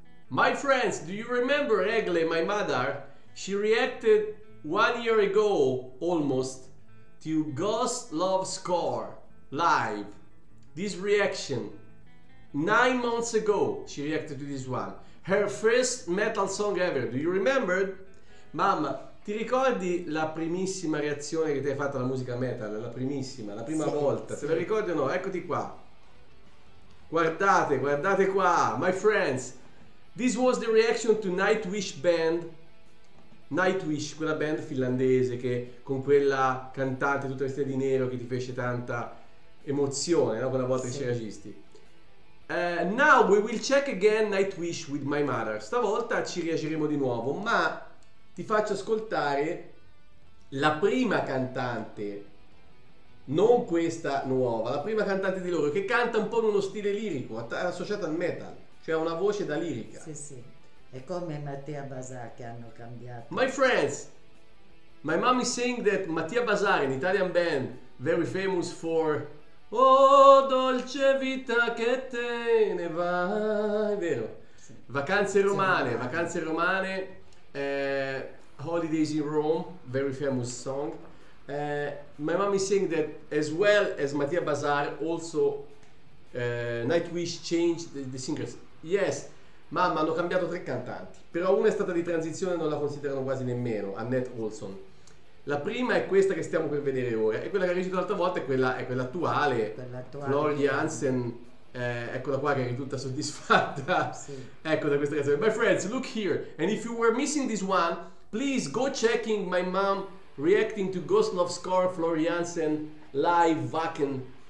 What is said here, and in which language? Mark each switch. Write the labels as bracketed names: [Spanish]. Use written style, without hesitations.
[English] My friends, do you remember Egle, my mother? She reacted 1 year ago, almost, to Ghost Love Score live. This reaction, 9 months ago, she reacted to this one. Her first metal song ever, do you remember? [Italian] Mamma, ti ricordi la primissima reazione che ti hai fatto alla musica metal? La primissima, la prima volta, se la ricordi o no? Eccoti qua. Guardate, guardate qua, my friends. [English] This was the reaction to Nightwish band. [Italian] Nightwish, quella band finlandese che con quella cantante tutta vestita di nero che ti fece tanta emozione, no? Quella volta sì. Che ci reagisti. [English] Now we will check again Nightwish with my mother. [Italian] Stavolta ci reagiremo di nuovo, ma ti faccio ascoltare la prima cantante, non questa nuova, la prima cantante di loro che canta un po' in uno stile lirico associato al metal. Cioè una voce da lirica. Sì, sì. È come Mattia Bazar che hanno cambiato. [English] My friends, my mom is saying that Mattia Bazar, an Italian band, very famous for [Italian] Oh, dolce vita che te ne vai. Vero? Sì. Vacanze romane, sì. Vacanze romane, [English] Holidays in Rome, very famous song. My mom is saying that as well as Mattia Bazar, also Nightwish changed the singers. [Italian] Yes, mamma, hanno cambiato tre cantanti, però una è stata di transizione, non la considerano quasi nemmeno, Annette Olson. La prima è questa che stiamo per vedere ora, e quella che ha recitato l'altra volta è quella attuale, Flori Hansen, eccola qua che è tutta soddisfatta, sì. Ecco da questa canzone. [English] My friends, look here, and if you were missing this one, please go checking my mom reacting to Ghost Love Score, Flori Hansen, live, Wacken.